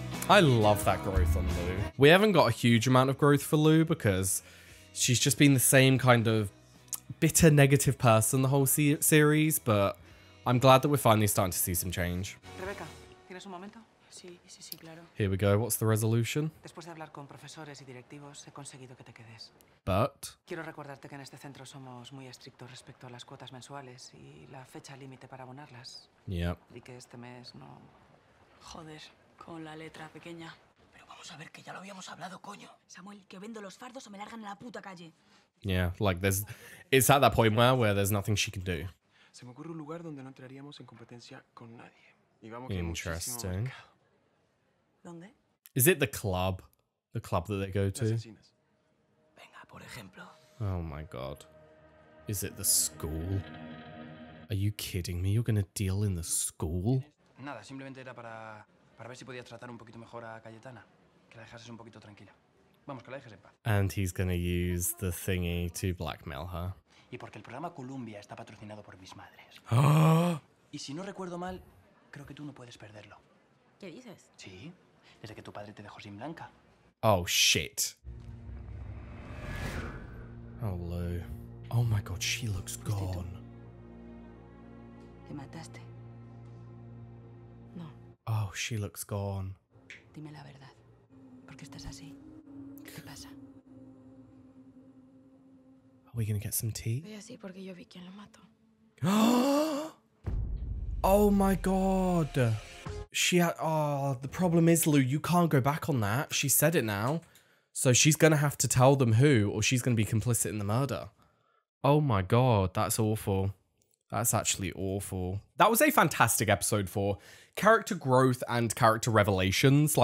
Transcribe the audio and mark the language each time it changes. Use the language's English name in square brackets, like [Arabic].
[English] I love that growth on Lou. We haven't got a huge amount of growth for Lou because she's just been the same kind of bitter negative person the whole series, but I'm glad that we're finally starting to see some change. [Spanish] Rebecca, ¿tienes un momento? Sí, sí, sí, claro. [English] Here we go. What's the resolution? [Spanish] Después de hablar con profesores y directivos, he conseguido que te quedes. [English] But [Spanish] quiero recordarte que en este centro somos muy estrictos respecto a las cuotas mensuales y la fecha límite para abonarlas. [English] Yeah. [Spanish] Y que este mes no. Joder, con la letra pequeña. Pero vamos a ver que ya lo habíamos hablado, coño. Samuel, que vendo los fardos o me largan a la puta calle. [English] Yeah, like there's, it's at that point where there's nothing she can do. [Spanish] Se me ocurre un lugar donde no entraríamos en competencia con nadie. Y vamos. [English] Interesting. [Spanish] ¿Dónde? [English] Is it the club? The club that they go to? [Spanish] Venga, por ejemplo. [English] Oh my god. Is it the school? Are you kidding me? You're gonna deal in the school? [Spanish] Nada, simplemente era para ver si podías tratar un poquito mejor a Cayetana, que la dejases un poquito tranquila. Vamos, que la dejes en paz. [English] And he's gonna use the thingy to blackmail her. [Spanish] Y porque el programa Columbia está patrocinado por mis madres. ¡Oh! Y si no recuerdo mal, creo que tú no puedes perderlo. ¿Qué dices? Sí, desde que tu padre te dejó sin Blanca. [English] Oh, shit. Oh, Lou. Oh my god, she looks gone. [Spanish] ¿Te mataste? [English] Oh, she looks gone. [Spanish] Dime la verdad. ¿Por qué estás así? ¿Qué pasa? [English] Are we gonna get some tea? [Spanish] Estoy así porque yo vi quién lo mató. [English] Oh my god. The problem is, Lou, you can't go back on that. She said it now. So she's gonna have to tell them who, or she's gonna be complicit in the murder. Oh my god, that's awful. That's actually awful. That was a fantastic episode for character growth and character revelations.